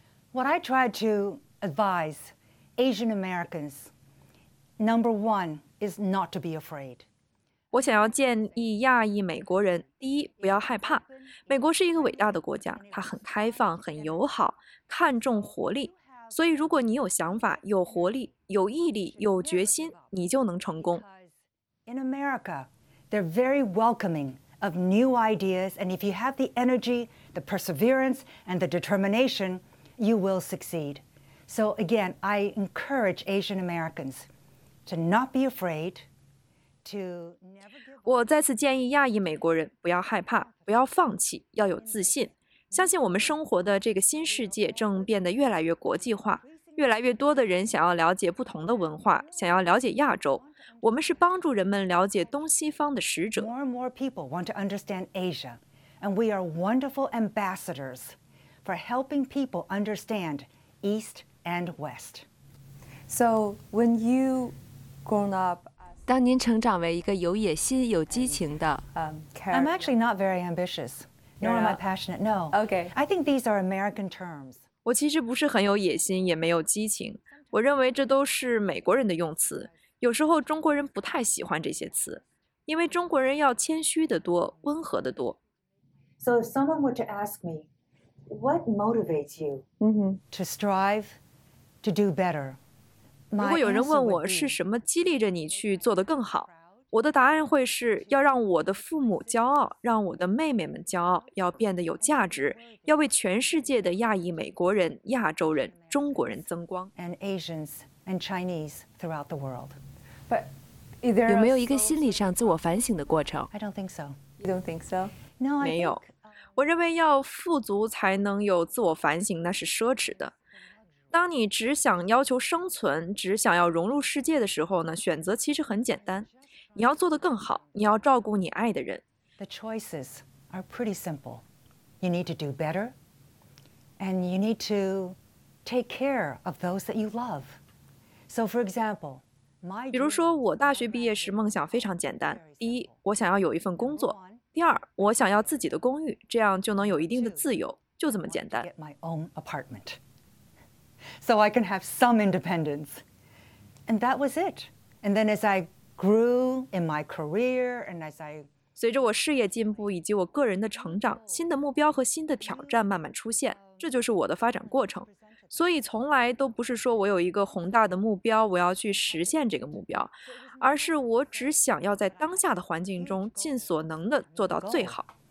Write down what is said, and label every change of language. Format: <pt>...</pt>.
<en>？What I try to advise Asian Americans, number one is not to be afraid.</en> <zh>我想要建议亚裔美国人，第一，不要害怕。美国是一个伟大的国家，它很开放，很友好，看重活力。所以如果你有想法，有活力，有毅力，有决心，你就能成功。</zh> <en>In America, they're very welcoming of new ideas, and if you have the energy, the perseverance, and the determination, you will succeed. So again, I encourage Asian Americans to not be afraid, to never give up.</en> <zh>我再次建议亚裔美国人不要害怕，不要放弃，要有自信。相信我们生活的这个新世界正变得越来越国际化，越来越多的人想要了解不同的文化，想要了解亚洲。我们是帮助人们了解东西方的使者。</zh> <en>More and more people want to understand Asia, and we are wonderful ambassadors for helping people understand East and West. So when you grown up,</en> <zh>当您成长为一个有野心、有激情的</zh> <en>，I'm actually not very ambitious, nor am I passionate. No, okay. I think these are American terms.</en> <zh>我其实不是很有野心，也没有激情。我认为这都是美国人的用词。有时候中国人不太喜欢这些词，因为中国人要谦虚的多，温和的多。</zh> <en>So if someone were to ask me, what motivates you to strive to do better?</en> <zh>如果有人问我是什么激励着你去做得更好，我的答案会是要让我的父母骄傲，让我的妹妹们骄傲，要变得有价值，要为全世界的亚裔美国人、亚洲人、中国人增光。</zh> <en>And Asians and Chinese throughout the world. But is there</en> <zh>有没有一个心理上自我反省的过程</zh> <en>？I don't think so. You don't think so? No, I think</en> <zh>没有。我认为要富足才能有自我反省，那是奢侈的。当你只想要求生存，只想要融入世界的时候呢，选择其实很简单。你要做得更好，你要照顾你爱的人。</zh> <en>The choices are pretty simple. You need to do better, and you need to take care of those that you love. So, for example, my</en> <zh>比如说，我大学毕业时梦想非常简单：第一，我想要有一份工作；第二，我想要自己的公寓，这样就能有一定的自由，就这么简单。</zh> <en>Get my own apartment, so I can have some independence, and that was it. And then as I grew in my career, and as I</en> <zh>随着我事业进步以及我个人的成长，新的目标和新的挑战慢慢出现，这就是我的发展过程。所以从来都不是说我有一个宏大的目标，我要去实现这个目标，而是我只想要在当下的环境中尽所能的做到最好。</zh>